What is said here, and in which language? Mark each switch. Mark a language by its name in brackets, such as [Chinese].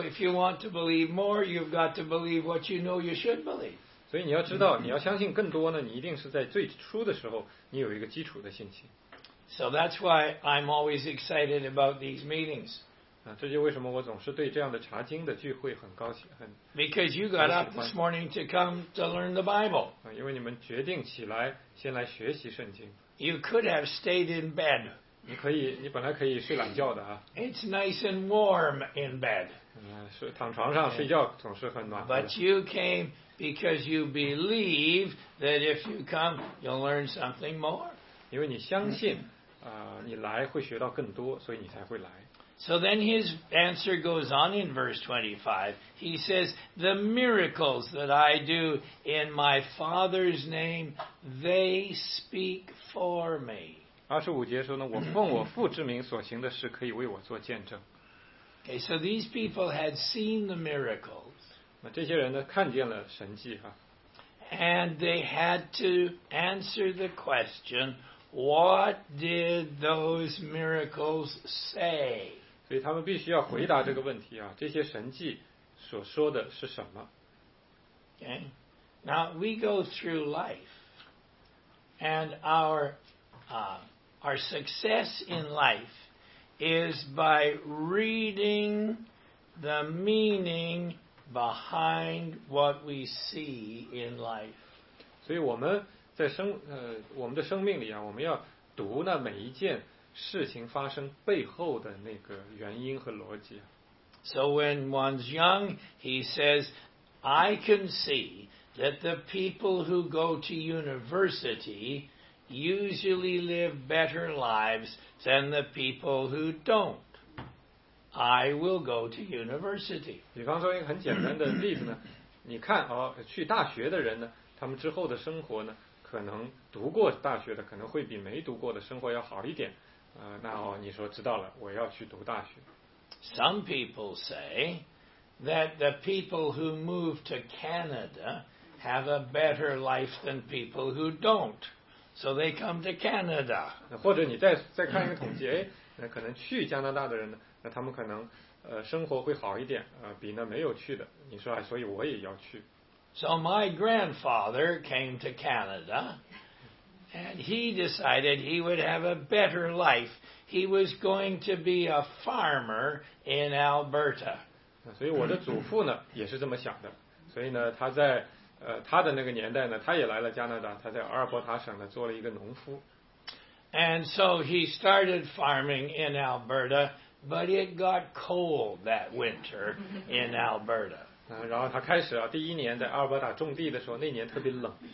[English] if you want to believe more, you've got to believe what you know you should believe. [Chinese] 所以你要知道，你要相信更多呢，你一定是在最初的时候，你有一个基础的信心。 [English] So that's why I'm always excited about these meetings. [Chinese] 这就为什么我总是对这样的查经的聚会很高兴。 [English] Because you got up this morning to come to learn the Bible. [Chinese] 因为你们决定起来先来学习圣经。 [English] You could have stayed in bed. [Chinese] 你本来可以睡懒觉的啊。 [English] It's nice and warm in bed. [Chinese] 躺床上睡觉总是很暖和的。 [English] But you came because you believe that if you come, you'll learn something more. [Chinese] 因为你相信，你来会学到更多，所以你才会来。 [English] So then his answer goes on in verse 25. He says, the miracles that I do in my Father's name, they speak for me. [Chinese] 25节说呢，我奉我父之名所行的事，可以为我做见证。 [English] Okay, so these people had seen the miracles. [Chinese] 那这些人呢，看见了神迹哈。 [English] And they had to answer the question, what did those miracles say? [Chinese] 所以他们必须要回答这个问题啊，这些神迹所说的是什么？ [English] Okay, now we go through life, and our success in life is by reading the meaning behind what we see in life. [Chinese] 所以我们在我们的生命里啊，我们要读那每一件事情发生背后的那个原因和逻辑。 [English] So when one's young, he says, I can see that the people who go to university usually live better lives than the people who don't. I will go to university. [Chinese] 比方说一个很简单的例子呢，你看哦，去大学的人呢，他们之后的生活呢，可能读过大学的可能会比没读过的生活要好一点。那哦，你说知道了，我要去读大学。 [English] Some people say that the people who move to Canada have a better life than people who don't. So they come to Canada. [Chinese] 或者你再看一个统计，那可能去加拿大的人呢，那他们可能生活会好一点，比那没有去的。你说啊，所以我也要去。 [English] So my grandfather came to Canada. And he decided he would have a better life. He was going to be a farmer in Alberta. [Chinese] 所以我的祖父呢也是这么想的。所以呢，他在他的那个年代呢，他也来了加拿大，他在阿尔伯塔省呢做了一个农夫。 [English] And so he started farming in Alberta, but it got cold that winter in Alberta. [Chinese] 然后他开始啊，第一年在阿尔伯塔种地的时候，那年特别冷。